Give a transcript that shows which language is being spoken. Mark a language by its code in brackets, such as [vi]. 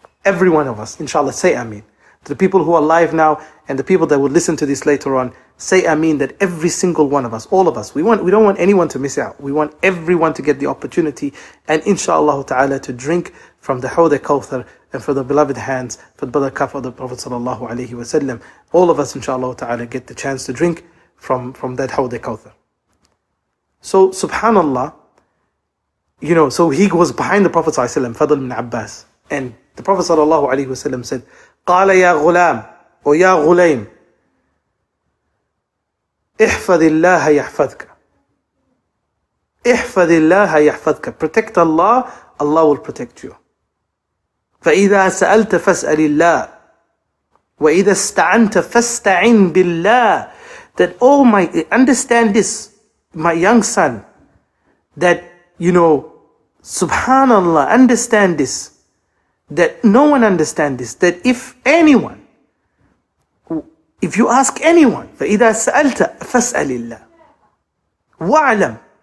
[en] Every one of us, inshallah, say Ameen. To the people who are alive now and the people that will listen to this later on, say Ameen that every single one of us, all of us, we don't want anyone to miss out. We want everyone to get the opportunity and inshallah ta'ala to drink from the Hawdi Kawthar and from the beloved hands, from the barakah of the Prophet sallallahu alayhi wa sallam. All of us, inshallah ta'ala, get the chance to drink from that Hawdi Kawthar. So, subhanallah, you know, so he was behind the Prophet sallallahu alayhi wa sallam, Fadl ibn Abbas. And the Prophet sallallahu alayhi wa sallam said, [ar] قَالَ يَا غُلَامُ وَيَا غُلَيْمُ احْفَذِ اللَّهَ يَحْفَذْكَ احْفَذِ اللَّهَ يَحْفَذْكَ. [en] Protect Allah, Allah will protect you. [ar] فَإِذَا سَأَلْتَ فَاسْأَلِ اللَّهِ وَإِذَا اسْتَعَنْتَ فَاسْتَعِنْ بِاللَّهِ. [en] That, oh my, understand this, my young son, that, you know, subhanallah, understand this, that no one understand this, that if anyone, if you ask anyone, [ar] فَإِذَا سَأَلْتَ فَاسْأَلِ اللَّهِ وَعْلَمْ.